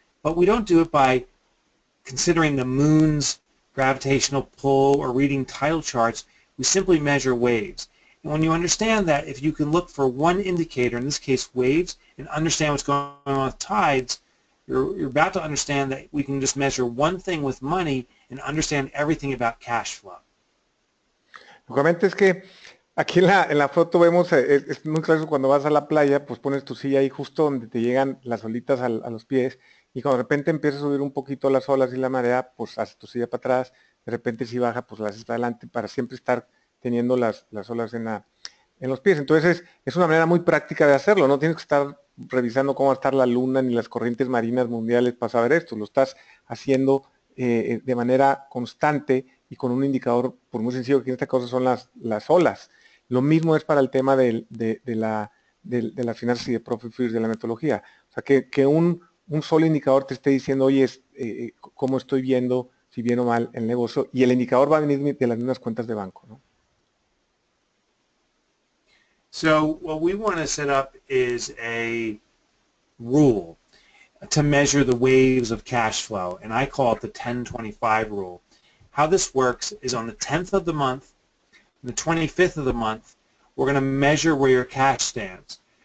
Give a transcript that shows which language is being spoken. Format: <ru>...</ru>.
<en>But we don't do it by considering the moon's gravitational pull or reading tidal charts. We simply measure waves. And when you understand that, if you can look for one indicator, in this case waves, and understand what's going on with tides, you're about to understand that we can just measure one thing with money and understand everything about cash flow.</en> <es>Realmente es que aquí en la foto vemos, es muy claro, cuando vas a la playa, pues pones tu silla ahí justo donde te llegan las olitas a los pies, y cuando de repente empieza a subir un poquito las olas y la marea, pues haces tu silla para atrás, de repente si baja, pues la haces para adelante, para siempre estar teniendo las olas en los pies. Entonces, es una manera muy práctica de hacerlo, no tienes que estar revisando cómo va a estar la luna ni las corrientes marinas mundiales para saber esto, lo estás haciendo de manera constante y con un indicador, por muy sencillo que en este caso son las olas. Lo mismo es para el tema de las finanzas y de profit first de la metodología. O sea, que un solo indicador te esté diciendo, oye, ¿cómo estoy viendo, si bien o mal, el negocio? Y el indicador va a venir de las mismas cuentas de banco, ¿no?</es> <en>So, what we want to set up is a rule to measure the waves of cash flow. And I call it the 10-25 rule. How this works is on the 10th of the month, on the 25th of the month, we're going to measure where your cash stands.</en>